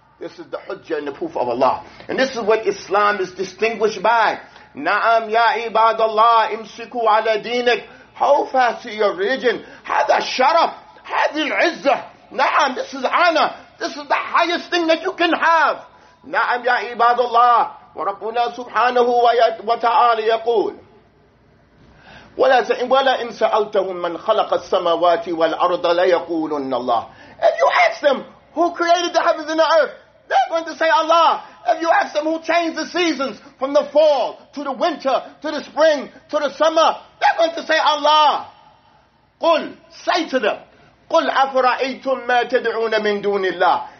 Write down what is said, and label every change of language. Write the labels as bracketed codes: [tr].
[en] This is the hujjah and the proof of Allah. And this is what Islam is distinguished by. [ar] نَعَمْ يَا عِبَادَ اللَّهِ اِمْسِكُوا عَلَى دِينِكُ. [en] Hold fast to your religion. [ar] هَذَا شَرَفْ. هَذِي الْعِزَّةِ. نَعَمْ. [en] This is honor. This is the highest thing that you can have. [ar] نعم يا عباد الله. وربنا سبحانه وتعالى يقول ولئن سألتهم من خلق السماوات والأرض ليقولن الله. [en] If you ask them who created the heavens and the earth, they're going to say Allah. If you ask them who changed the seasons from the fall to the winter to the spring to the summer, they're going to say Allah. [ar] قل. [en] Say to them. [ar] قُلْ أَفْرَأَيْتُمْ مَا تَدْعُونَ مِنْ دُونِ اللَّهِ.